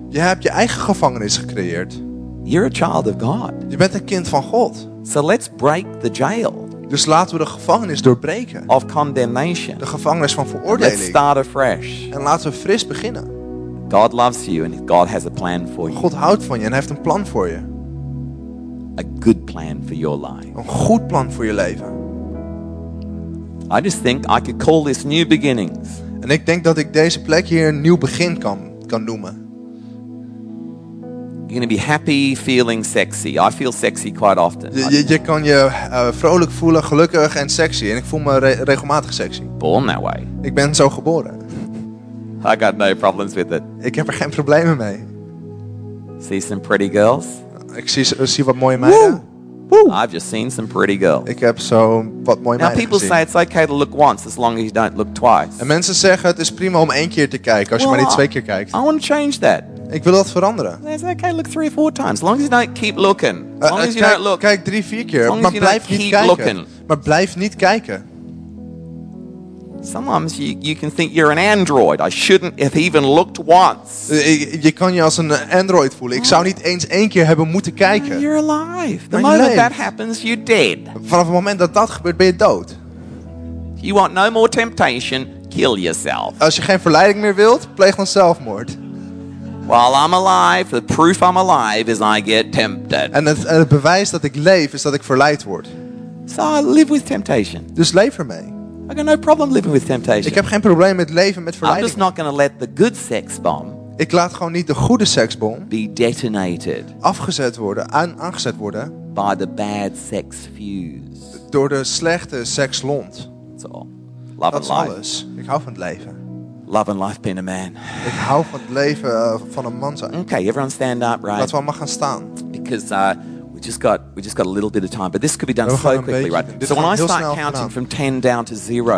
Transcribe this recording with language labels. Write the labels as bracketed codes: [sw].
[nl] Je hebt je eigen gevangenis gecreëerd. [en] You're a child of God. [nl] Je bent een kind van God. [en] So let's break the jail. [nl] Dus laten we de gevangenis doorbreken. [en] Of condemnation. [nl] De gevangenis van veroordeling. [en] Let's start afresh. [nl] En laten we fris beginnen. [en] God loves you and God has a plan for you. [nl] God houdt van je en heeft een plan voor je. [en] A good plan for your life. [nl] Een goed plan voor je leven. [en] I just think I could call this new beginnings. [nl] En ik denk dat ik deze plek hier een nieuw begin kan noemen. [en] You're gonna be happy, feeling sexy. I feel sexy quite often. [nl] Je kan je vrolijk voelen, gelukkig en sexy. En ik voel me regelmatig sexy. [en] Born that way. [nl] Ik ben zo geboren. [en] I got no problems with it. [nl] Ik heb er geen problemen mee. [en] See some pretty girls. [nl] Ik zie wat mooie meiden. Woo. Woo. [en] I've just seen some pretty girls. [nl] Ik heb zo wat mooie [en] now, [nl] meiden [en] people [nl] gezien. [en] Say it's okay to look once, as long as you don't look twice. [nl] En mensen zeggen het is prima om één keer te kijken, als [en] well, [nl] je maar niet twee keer kijkt. [en] I want to change that. [nl] Ik wil dat veranderen. [en] Okay, look 3 or 4 times. As long as you don't keep looking. As long as you don't look. [nl] Kijk 3, 4 keer. Maar blijf niet kijken. [en] Looking. [nl] Maar blijf niet kijken. [en] Sometimes you can think you're an android. I shouldn't have even looked once. [nl] Je kan je als een android voelen. Ik zou niet eens één keer hebben moeten kijken. [en] You're alive. The moment that happens, you're dead. [nl] Vanaf het moment dat dat gebeurt, ben je dood. [en] You want no more temptation, kill yourself. [nl] Als je geen verleiding meer wilt, pleeg dan zelfmoord. [en] While I'm alive, the proof I'm alive is I get tempted. [nl] En het bewijs dat ik leef is dat ik verleid word. [en] So I live with temptation. [nl] Dus leef ermee. [en] I got no problem living with temptation. [nl] Ik heb geen probleem met leven met verleiding. [en] I'm just not going to let the good sex bomb. [nl] Ik laat gewoon niet de goede seksbom. [en] Be detonated. [nl] Afgezet worden, aangezet worden. [en] By the bad sex fuse. [nl] Door de slechte sekslont. [en] That's all. Love [nl] dat [en] and life. [nl] Dat is alles. Ik hou van het leven. [en] Love and life being a man. [nl] Ik hou van het leven van een man zijn. [en] Okay, everyone stand up, right? [nl] Laten we allemaal gaan staan. [en] Because we just got a little bit of time, but this could be done so quickly, right? So when I start counting from 10 down to 0,